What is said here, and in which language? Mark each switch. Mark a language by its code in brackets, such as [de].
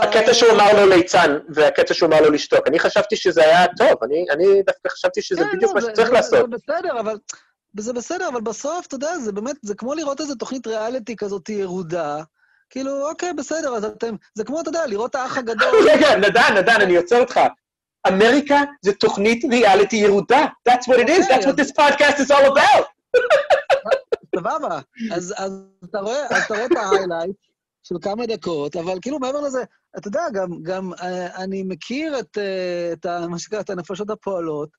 [he] הקטע שהוא אמר לו ליצן, והקטע שהוא אמר לו לשתוק. אני חשבתי שזה היה טוב, אני דווקא חשבתי שזה בדיוק מה שצריך לעשות. זה בסדר, אבל בסוף, אתה יודע, זה באמת, זה כמו לראות איזו תוכנית ריאליטי כזאת ירודה. כאילו, אוקיי, בסדר, אז אתם, זה כמו, אתה יודע, לראות האח הגדול. רגע, נדן, אני יוצר אותך. אמריקה זה תוכנית ריאליטי ירודה. [en] That's what it is, that's what this podcast is all about. [he] סבבה. אז אתה רואה את ההיילייט של כמה דקות, אבל כאילו מעבר לזה, אתה יודע, גם אני מכיר את מה שקרה, את הנפשות הפועלות.